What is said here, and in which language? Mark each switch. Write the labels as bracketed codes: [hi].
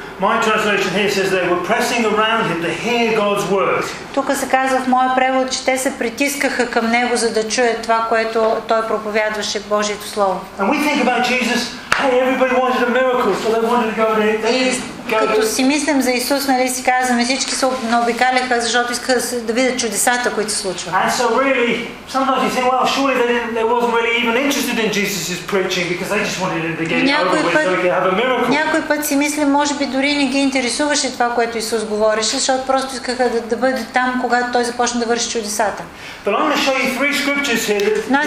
[en] My translation here says they were pressing around him to hear God's word. [bg] Тук се казва в моя превод, че те се притискаха към него, за да чуят това, което той проповядваше, Божието Слово. [en] And we think about Jesus, hey, everybody wanted a miracle, so they wanted to go there. [bg] Като си мислим за Исус, нали си казваме, всички се наобикаляха, защото искаха да видят чудесата, които се случват. [en] And so really, sometimes you think, well, surely they wasn't really even interested in Jesus's preaching because they just wanted him to get over with so he could have a miracle. [bg] Някой път си мислим, може би дори не ги интересуваше това, което Исус говореше, защото просто искаха да бъде там, когато той започна да върши чудесата. [en] But I'm going to show you three scriptures here that indicate.